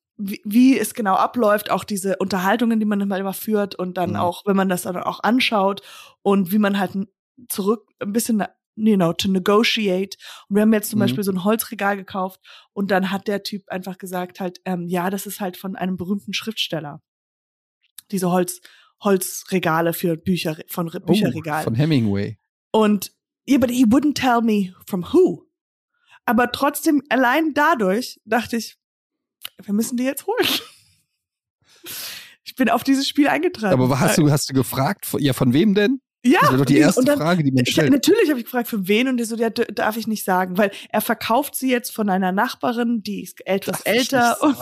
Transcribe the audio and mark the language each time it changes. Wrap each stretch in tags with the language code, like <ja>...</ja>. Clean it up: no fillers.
<de>Wie es genau abläuft, auch diese Unterhaltungen, die man immer führt und dann auch, wenn man das dann auch anschaut und wie man halt zurück ein bisschen,</de> <en>you know, to negotiate.</en> <de>Und wir haben jetzt zum Beispiel so ein Holzregal gekauft und dann hat der Typ einfach gesagt halt, ja, das ist halt von einem berühmten Schriftsteller. Diese Holzregale für Bücher, von Bücherregalen. Von Hemingway. Und,</de> <en>yeah, but he wouldn't tell me from who.</en> <de>Aber trotzdem, allein dadurch dachte ich, wir müssen die jetzt holen. Ich bin auf dieses Spiel eingetragen. Aber hast du gefragt, ja, von wem denn? Ja. Das war doch die erste Frage, die man stellt. Ja, natürlich habe ich gefragt, von wem? Und der so, ja, darf ich nicht sagen. Weil er verkauft sie jetzt von einer Nachbarin, die ist etwas älter.</de>